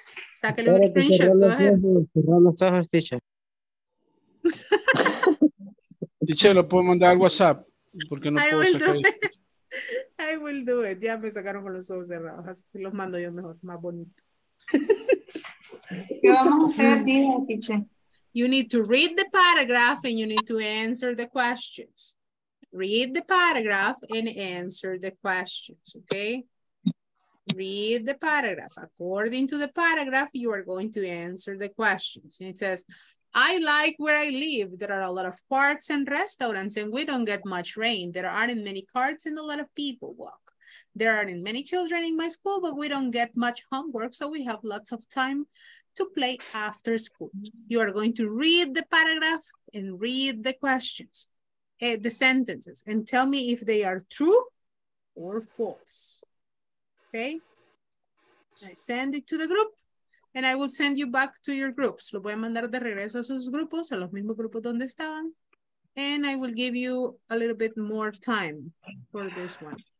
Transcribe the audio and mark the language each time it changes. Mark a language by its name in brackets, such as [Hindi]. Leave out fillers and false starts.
[Spanish] Sáquenle un screenshot, [English] go ahead. [Spanish] Cerrar los ojos, teacher. Teacher, lo puedo mandar al WhatsApp. Porque no puedo sacar eso. [English] I will do it. [Spanish] Ya me sacaron con los ojos cerrados. Así que los mando yo mejor, más bonito. ¿Qué vamos a hacer, teacher? [English] You need to read the paragraph and you need to answer the questions. Read the paragraph and answer the questions, okay? Read the paragraph. According to the paragraph, you are going to answer the questions. And it says, I like where I live. There are a lot of parks and restaurants and we don't get much rain. There aren't many carts and a lot of people walk. There aren't many children in my school, but we don't get much homework, so we have lots of time to play after school. You are going to read the paragraph and read the questions, the sentences, and tell me if they are true or false. Okay? I send it to the group. And I will send you back to your groups. [Spanish] Lo voy a mandar de regreso a sus grupos, a los mismos grupos donde estaban. [English] And I will give you a little bit more time for this one.